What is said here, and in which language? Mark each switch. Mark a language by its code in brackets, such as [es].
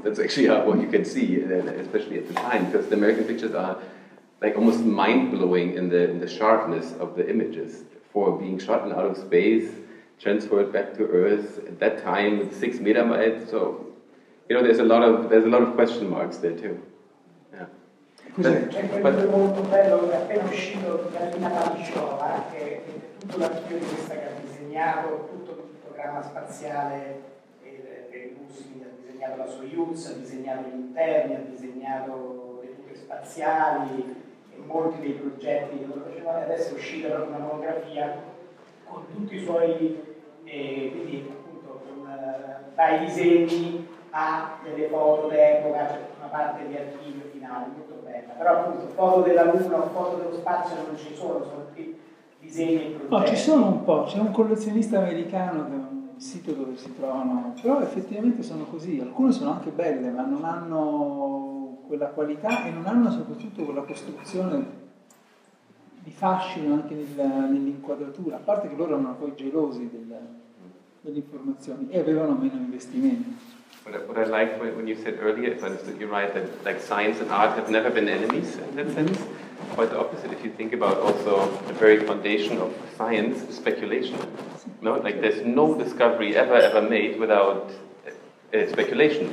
[en] That's actually what you can see, especially at the time, because the American pictures are like almost mind-blowing in the sharpness of the images for being shot in outer space, transferred back to Earth at that time with 6 megabytes. So, you know, there's a lot of question marks there too. [it] È molto bello che appena uscito da Lina Paliciova, che tutto l'archivio di questa che ha disegnato, tutto il programma spaziale per i russi, ha disegnato la Soyuz, ha disegnato gli interni, ha disegnato le tute spaziali e molti dei progetti che loro facevano, adesso è uscita da una monografia con tutti i suoi, quindi appunto dai disegni a delle foto d'epoca, c'è cioè una parte di archivio finale. Però appunto foto della Luna, foto dello spazio non ci sono tutti disegni e progetti. No, ci sono un po', c'è un collezionista americano che ha un sito dove si trovano, però effettivamente sono così, alcune sono anche belle, ma non hanno quella qualità e non hanno soprattutto quella costruzione di fascino anche nell'inquadratura, a parte che loro erano poi gelosi delle informazioni e avevano meno investimenti. [en] What I like when you said earlier, if I understood you right, that like science and art have never been enemies in that sense. Quite the opposite, if you think about also the very foundation of science, speculation. No, like there's no discovery ever made without speculation.